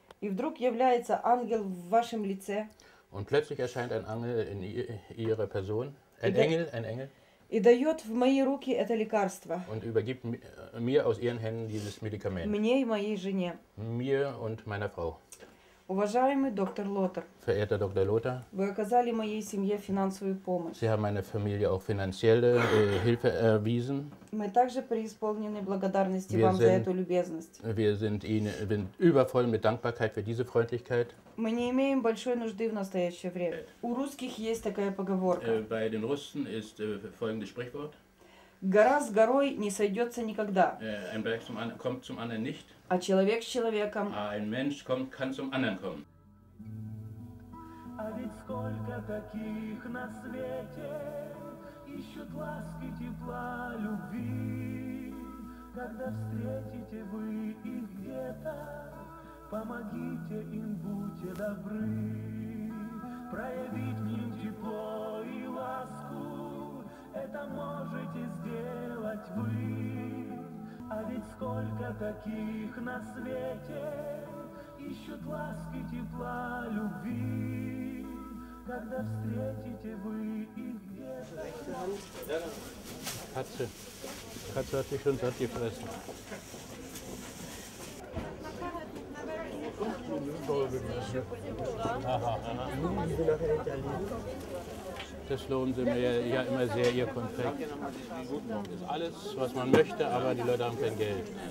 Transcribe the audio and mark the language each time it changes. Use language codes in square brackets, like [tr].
[ru] И вдруг является ангел в вашем лице. [de] Und plötzlich erscheint ein Engel in ihrer Person. Ein Engel. [ru] И дает в мои руки это лекарство. [de] Und übergibt mir aus ihren Händen dieses Medikament. [ru] Мне и моей жене. [de] Mir und meiner Frau. [ru] Уважаемый доктор Лотер. [de] Verehrter Dr. Lothar. [ru] Вы оказали моей семье финансовую помощь. [de] Sie haben meiner Familie auch finanzielle Hilfe erwiesen. [ru] Мы также преисполнены благодарности [de] wir [ru] вам [de] sind, [ru] за эту любезность. [de] Wir sind Ihnen übervoll mit Dankbarkeit für diese Freundlichkeit. [ru] Мы не имеем большой нужды в настоящее время. У русских есть такая поговорка. [de] Bei den Russen ist folgendes Sprichwort. [ru] Гора с горой не сойдется никогда. [de] Ein Berg kommt zum anderen nicht. [ru] А человек с человеком. [de] А ein Mensch kommt, kann zum anderen kommen. [ru] А ведь сколько таких на свете ищут ласки, тепла, любви. Когда встретите вы их где-то, помогите им, будьте добры. Проявить им тепло и ласку, это можете сделать вы. А ведь сколько таких на свете ищут ласки, тепла, любви. Когда встретите вы их где-то... [de] Катце. Катце hat sich schon satt gefressen. Das lohnen sie mir ja immer sehr, ihr Konfekt. Das ist alles, was man möchte, aber die Leute haben kein Geld.